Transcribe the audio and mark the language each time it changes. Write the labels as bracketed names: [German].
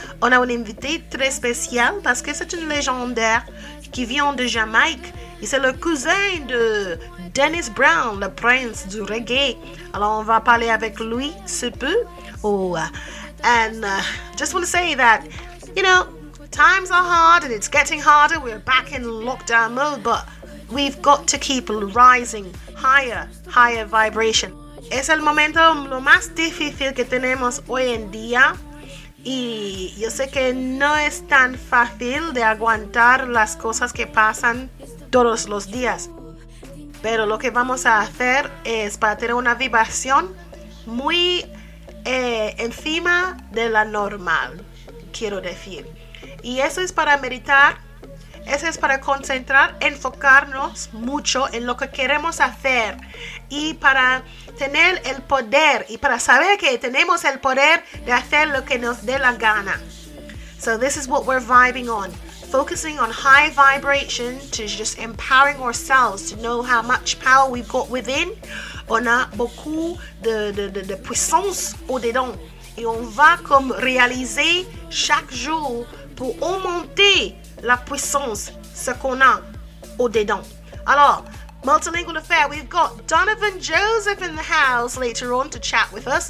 [French] On a un invité très spécial parce que c'est une légendaire qui vient de Jamaïque. Et c'est le cousin de Dennis Brown, le prince du reggae. Alors on va parler avec lui ce peu. [English] Oh, and just want to say that, you know, times are hard and it's getting harder. We're back in lockdown mode, but we've got to keep rising higher, higher vibration. [Spanish] Es el momento lo más difícil que tenemos hoy en día. Y yo sé que no es tan fácil de aguantar las cosas que pasan todos los días. Pero lo que vamos a hacer es para tener una vibración muy encima de la normal, quiero decir. Y eso es para meditar. Eso es para concentrar, enfocarnos mucho en lo que queremos hacer y para tener el poder y para saber que tenemos el poder de hacer lo que nos dé la gana. [English] So this is what we're vibing on. Focusing on high vibration to just empowering ourselves to know how much power we've got within. [French] On a beaucoup de puissance au-dedans. Et on va comme réaliser chaque jour pour augmenter la puissance, ce qu'on a au-dedans. [English] Alors, Multilingual Affair, we've got Donovan Joseph in the house later on to chat with us.